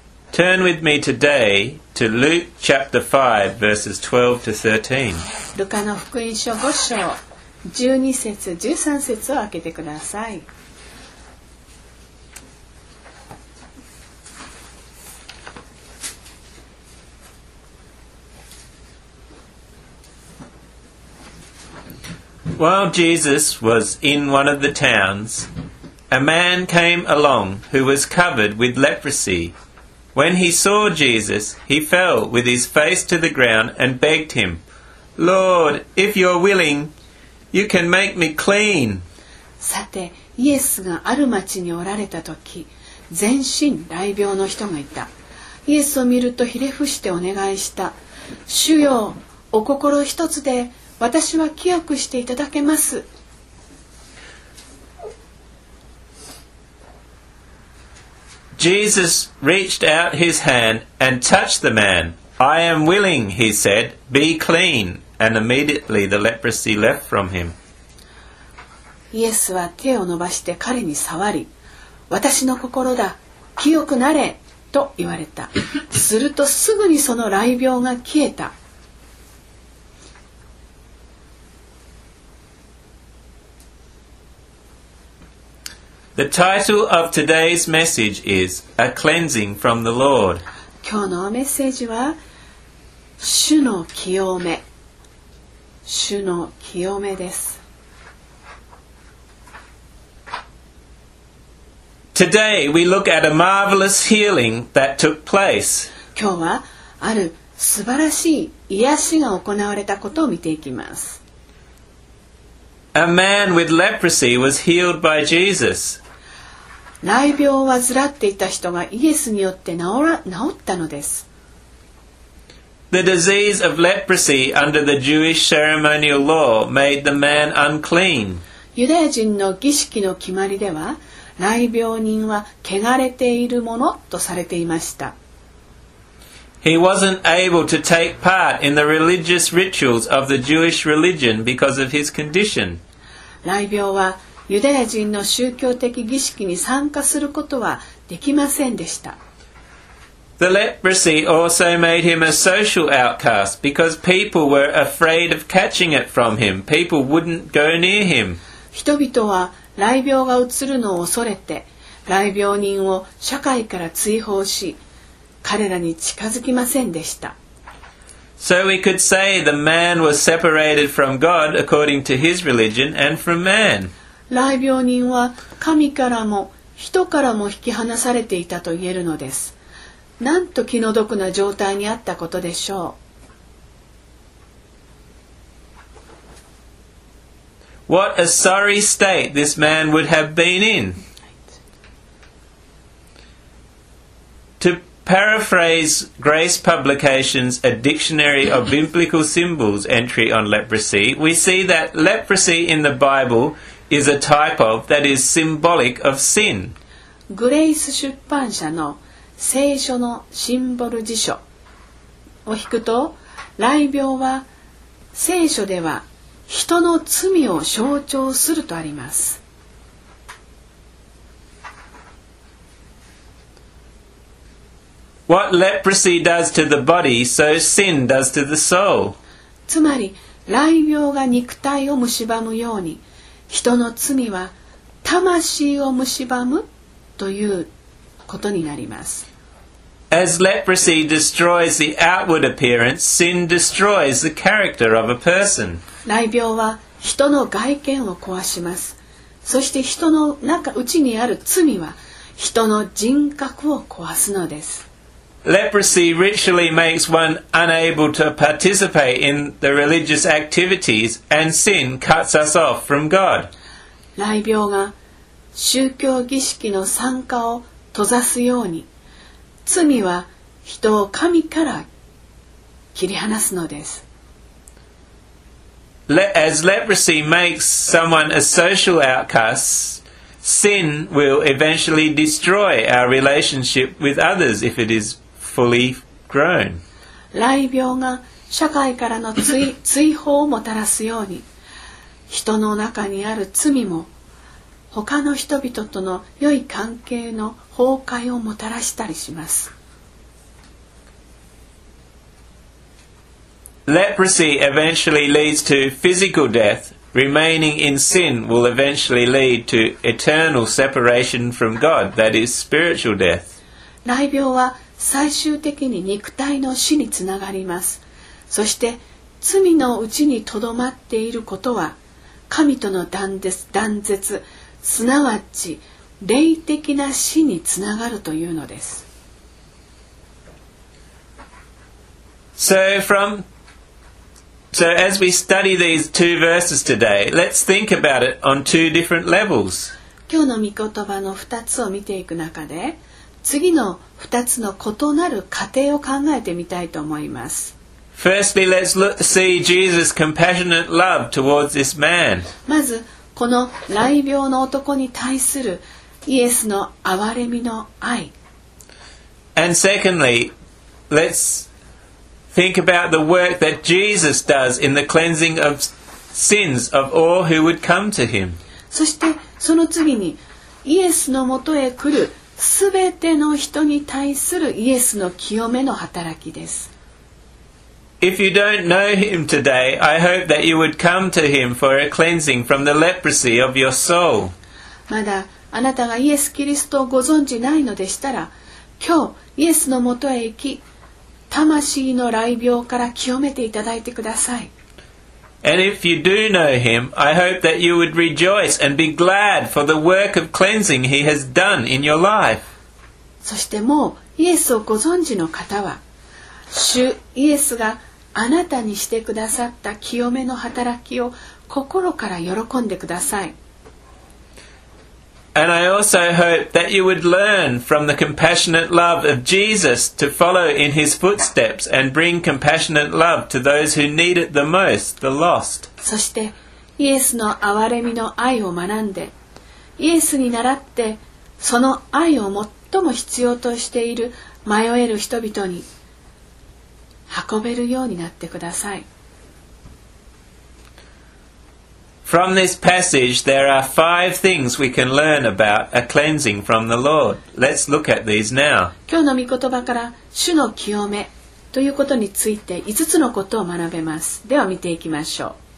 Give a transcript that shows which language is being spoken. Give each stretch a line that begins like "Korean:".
English: Turn with me today to Luke chapter 5, verses 12 to 13.
Japanese: ルカの福音書5章12節13節を開けてください。
English: While Jesus was in one of the towns, a man came along who was covered with leprosy. When he saw Jesus, he fell with his face to the ground and begged him, Lord, if you're willing, you can make me clean.
Japanese: さて、イエスがある町におられたとき、全身雷病の人がいた。イエスを見るとひれ伏してお願いした。主よ、お心一つで、私は清くしていただけます。
English: Jesus reached out his hand and touched the man. I am willing, he said, be clean. And immediately the leprosy left from him.
Japanese: イエスは手を伸ばして彼に触り、私の心だ、清くなれ、と言われた。するとすぐにその雷病が消えた。
English: The title of today's message is A Cleansing from the Lord.
Japanese: 今日のメッセージは、主の清め。主の清めです。
English: Today we look at a marvelous healing that took place.
Japanese: 今日はある素晴らしい癒しが行われたことを見ていきます。
English: A man with leprosy was healed by Jesus.
Japanese: 雷病を患っていた人がイエスによって治ったのです。
English: The disease of leprosy under the Jewish ceremonial law made the man unclean.
Japanese: ユダヤ人の儀式の決まりでは、雷病人は汚れているものとされていました。
English: He wasn't able to take part in the religious rituals of the Jewish religion because of his condition.
Japanese: 雷病はユダヤ人の宗教的儀式に参加することはできませんでした。
English: The leprosy also made him a social outcast because people were afraid of catching it from him. People wouldn't go near him.
Japanese: 人々は雷病がうつるのを恐れて、雷病人を社会から追放し、彼らに近づきませんでした。
English: So we could say the man was separated from God according to his religion and from man.
Japanese: 雷病人は神からも人からも引き離されていたと言えるのです。なんと気の毒な状態にあったことでしょう。
English: What a sorry state this man would have been in. To paraphrase Grace Publications A Dictionary of Biblical Symbols entry on leprosy, we see that leprosy in the Bible. Is a type of that is symbolic of sin.
Japanese: グレイス出版社の聖書のシンボル辞書を引くと、雷病は聖書では人の罪を象徴するとあります。
English: What leprosy does to the body, so sin does to the soul.
Japanese: つまり、雷病が肉体を蝕むように。人の罪は魂を蝕むということになります。
English: As leprosy destroys the outward appearance, sin destroys the character of a person.
Japanese: 雷病は人の外見を壊します。そして人の中、内にある罪は人の人格を壊すのです。
English: Leprosy ritually makes one unable to participate in the religious activities, and sin cuts us off from God.
Japanese: 雷病が宗教儀式の参加を閉ざすように、罪は人を神から切り離すのです。
English: As leprosy makes someone a social outcast,sin will eventually destroy our relationship with others if it is fully grown.
Japanese: 雷病が社会からの追放をもたらすように、人の中にある罪も他の人々との良い関係の崩壊をもたらしたりします。
English: Leprosy eventually leads to physical death. Remaining in sin will eventually lead to eternal separation from God, that is spiritual death.
Japanese: 雷病は最終的に肉体の死につながります。そして罪のうちにとどまっていることは神との断絶、すなわち霊的な死につながるというのです。
English: So as we study these two verses today, let's think about it on two different levels.
Japanese: 今日の御言葉の2つを見ていく中で次の2つの異なる過程を考えてみたいと思います。
English: Firstly, let's see Jesus' compassionate love towards this man.
Japanese: まずこの雷病の男に対するイエスの憐れみの愛。
English: And secondly, let's think about the work that Jesus does in the cleansing of sins of all who would come to him.
Japanese: そしてその次にイエスのもとへ来るすべての人に対するイエスの清めの働きです。
English: If you don't know him today, I hope that you would come to him for a cleansing from the leprosy of your soul.
Japanese: まだあなたがイエス・キリストをご存じないのでしたら、今日イエスのもとへ行き、魂の雷病から清めていただいてください。
English: And if you do know him, I hope that you would rejoice and be glad for the work of cleansing he has done in your life.
Japanese: そしてもうイエスをご存じの方は、主イエスがあなたにしてくださった清めの働きを心から喜んでください。
English: And I also hope that you would learn from the compassionate love of Jesus to follow in his footsteps and bring compassionate love to those who need it the most, the lost.
Japanese: そしてイエスの憐れみの愛を学んで、イエスに習ってその愛を最も必要としている迷える人々に運べるようになってください。
English: From this passage there are five things we can learn about a cleansing from the Lord. Let's look at these now.
Japanese: 今日の御言葉から主の清めということについて5つのことを学べます。では見ていきましょう。